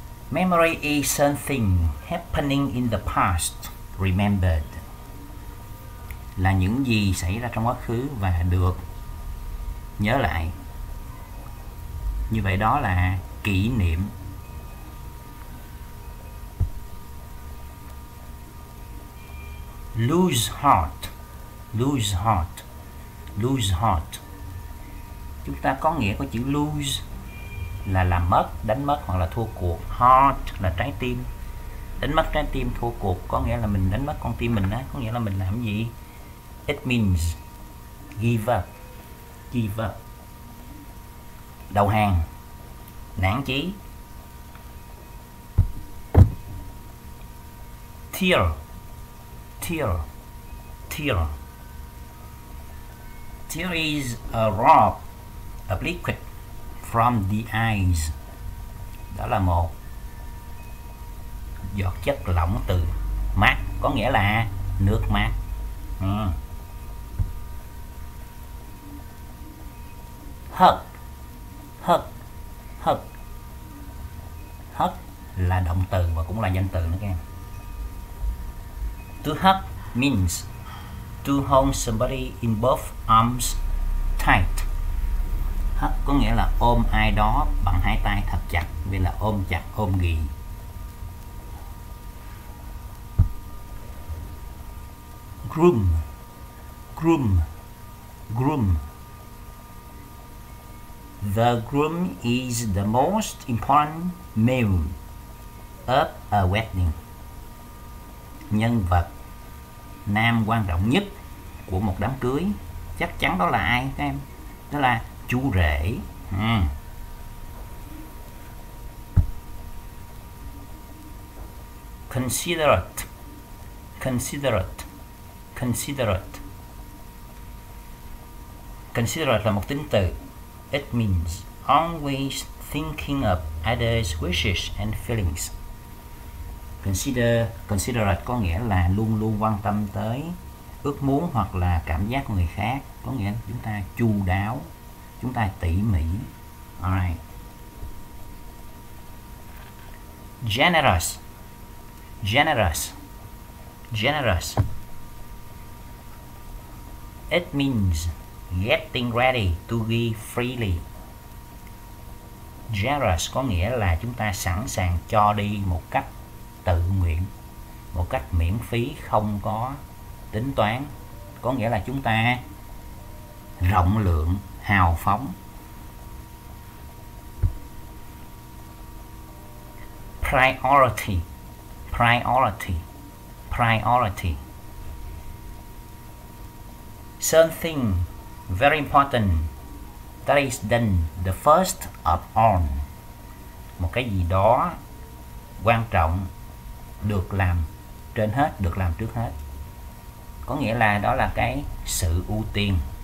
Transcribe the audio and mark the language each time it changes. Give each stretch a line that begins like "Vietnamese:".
English: Memory is something happening in the past, remembered.
Vietnamese: Là những gì xảy ra trong quá khứ và được nhớ lại. Như vậy đó là kỷ niệm.
English: Lose heart, lose heart, lose heart.
Vietnamese: Chúng ta có nghĩa của chữ lose là làm mất, đánh mất hoặc là thua cuộc. Heart là trái tim. Đánh mất trái tim, thua cuộc có nghĩa là mình đánh mất con tim mình á, có nghĩa là mình làm gì?
English: It means give up, give up.
Vietnamese: Đầu hàng, nản chí.
English: Tear, tear, tear. Tear is a drop of liquid from the eyes.
Vietnamese: Đó là một giọt chất lỏng từ mắt, có nghĩa là nước mắt.
English: Hug, hug, hug.
Vietnamese: Hug là động từ và cũng là danh từ nữa các em.
English: To hug means to hold somebody in both arms tight.
Vietnamese: Hug có nghĩa là ôm ai đó bằng hai tay thật chặt, vì là ôm chặt, ôm ghì.
English: Groom, groom, groom. The groom is the most important male of a wedding.
Vietnamese: Nhân vật nam quan trọng nhất của một đám cưới chắc chắn đó là ai các em? Đó là chú rể.
English: Considerate, considerate, considerate.
Vietnamese: Considerate là một tính từ.
English: It means always thinking of others' wishes and feelings.
Vietnamese: Consider, considerate có nghĩa là luôn luôn quan tâm tới ước muốn hoặc là cảm giác của người khác, có nghĩa là chúng ta chu đáo, chúng ta tỉ mỉ. Alright.
English: Generous, generous, generous. It means getting ready to give freely.
Vietnamese: Generous có nghĩa là chúng ta sẵn sàng cho đi một cách tự nguyện, một cách miễn phí, không có tính toán. Có nghĩa là chúng ta rộng lượng, hào phóng.
English: Priority, priority, priority. Something very important that is done the first of all.
Vietnamese: Một cái gì đó quan trọng được làm trên hết, được làm trước hết. Có nghĩa là đó là cái sự ưu tiên.